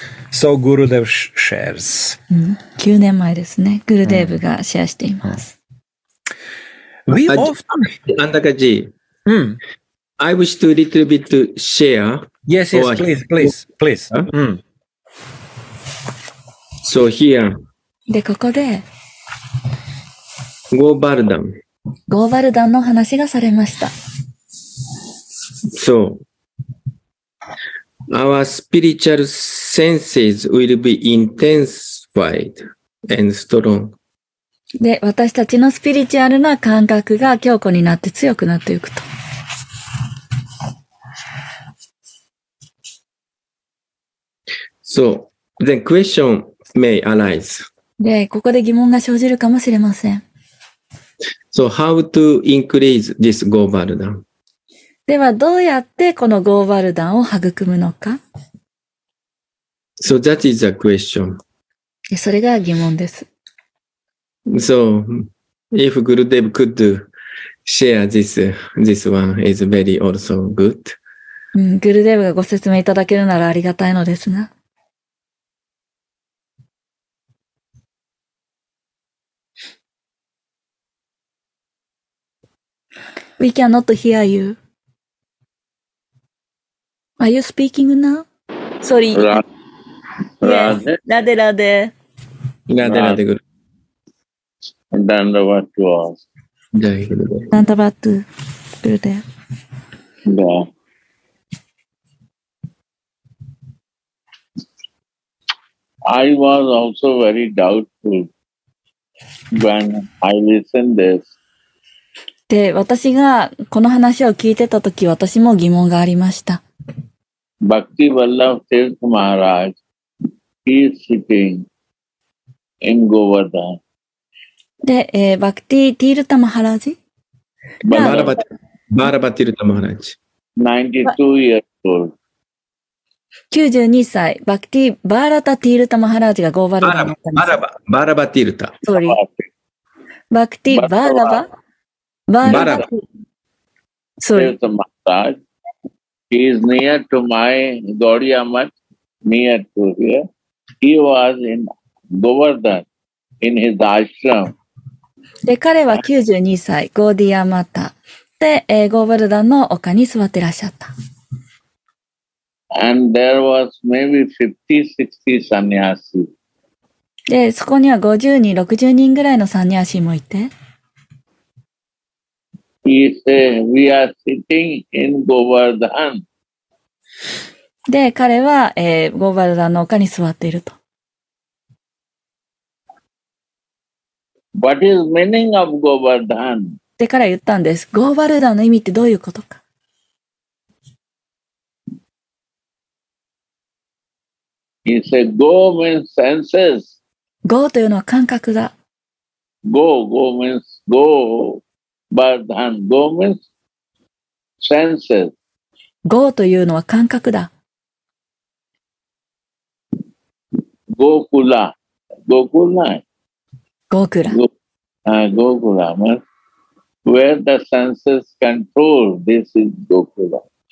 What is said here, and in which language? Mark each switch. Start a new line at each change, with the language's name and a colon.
English: So Gurudev shares.、
Japanese: 9年前ですね。グルデーブがシェアしています。
English: We often, Andakaji. I wish to a little bit to share. Yes, please, please, please. So here.
Japanese: で、ここで。ゴーバルダン。ゴーバルダンの話がされました。
English: So, our spiritual senses will be intensified and strong.
Japanese: で、私たちのスピリチュアルな感覚が強固になって強くなっていくと。
English: So, then question may arise.
Japanese: で、ここで疑問が生じるかもしれません。
English: So, how to increase this ゴーバルダン?
Japanese: では、どうやってこのゴーバルダンを育むのか?
English: So, that is a question.
Japanese: で、それが疑問です。
English: So, if Gurudev could share this, this one is very also good.
Japanese: Gurudev がご説明いただけるならありがたいのですが。
English: We cannot hear you. Are you speaking now? Sorry. Rade. Rade, Rade. Rade, Rade. Dandavatu all. Dandavatu, Gurudev. Yeah. I was also very doubtful when I listened this.
Japanese: で、私がこの話を聞いてたとき、私も疑問がありました。
English: Bhakti Vallabh Tirth Maharaj, he is sitting in Govardhan.
Japanese: で、バクティ・ティールタ・マハラジ。バラバティールタ・マハラジ。
English: 92 years old.
Japanese: 92歳。バクティ・バーラタ・ティールタ・マハラジがゴーバルダン。バラバティールタ。
English: Sorry.
Japanese: バクティ・バーラバ。バラバ。バラバ。
English: Sorry.
Japanese: ティールタ・マハラジ。
English: He is near to my Gaudiya Math, near to here. He was in Govardhan, in his ashram.
Japanese: で、彼は92歳、ゴーディアマタで、ゴーバルダンの丘に座ってらっしゃった。
English: And there was maybe 50, 60 sannyasi.
Japanese: で、そこには50人、60人ぐらいのサンニアシもいて。
English: He said, we are sitting in Govardhan.
Japanese: で、彼は、ゴーバルダンの丘に座っていると。
English: What is meaning of Govardhan?
Japanese: で、彼は言ったんです。ゴーバルダンの意味ってどういうことか。
English: He said, go means senses.
Japanese: Go というのは感覚だ。
English: Go, go means go, Govardhan. Go means senses.
Japanese: Go というのは感覚だ。
English: Gokula. Gokula. Gokula. Gokulamas, where the senses control, this is Gokula.